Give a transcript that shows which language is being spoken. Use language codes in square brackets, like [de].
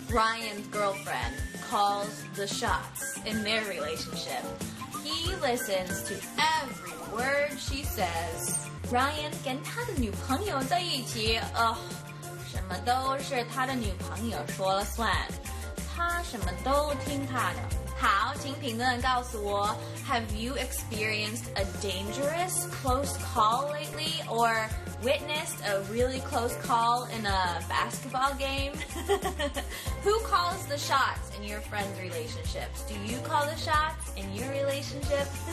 [en] Ryan's girlfriend calls the shots in their relationship. He listens to every word she says. [zh] Ryan 跟他的女朋友在一起，什么都是他的女朋友说了算，他什么都听他的，好，请评论告诉我 [en] ，Have you experienced a dangerous close call lately, or witnessed a really close call in a basketball game? Who calls the shots in your friends' relationships? Do you call the shots in your relationship?